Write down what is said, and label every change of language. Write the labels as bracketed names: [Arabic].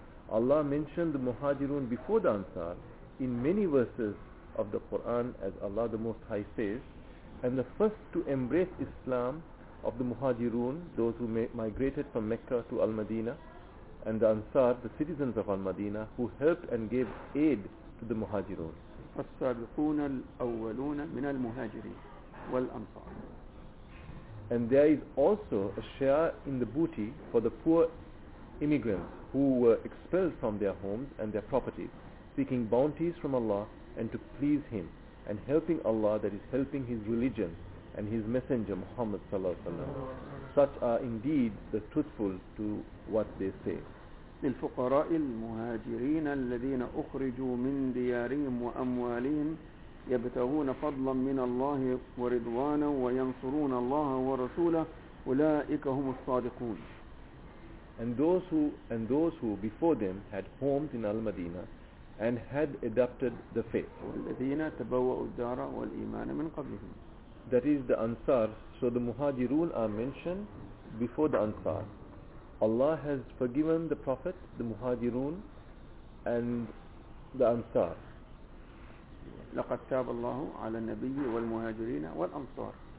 [English] Allah mentioned the Muhajirun before the Ansar in many verses of the Quran, as Allah the Most High says, and the first to embrace Islam of the Muhajirun, those who migrated from Mecca to Al-Madinah, and the Ansar, the citizens of Al-Madinah, who helped and gave aid to the Muhajirun. [Arabic] فالسابقون الأولون من المهاجرين والأنصار. [English] And there is also a share in the booty for the poor immigrants who were expelled from their homes and their properties, seeking bounties from Allah and to please Him, and helping Allah, that is helping His religion and His Messenger Muhammad sallallahu alaihi wasallam. Such are indeed the truthful to what they say. [Arabic] للفقراء المهاجرين الذين أخرجوا من ديارهم وأموالهم يبتغون فضلا من الله ورضوانا وينصرون الله ورسوله أولئك هم الصادقون. [English] And those who before them had homes in Al-Madinah and had adopted the faith. [Arabic] والذين تبوأوا الدار والإيمان من قبلهم. [English] That is the Ansar. So the Muhajirun are mentioned before the Ansar. Allah has forgiven the Prophet, the Muhajirun, and the Ansar. [Arabic] لَقَدْ تَابَ اللَّهُ عَلَى النَّبِيِّ وَالْمُهَاجِرِينَ وَالْأَنصَارِ.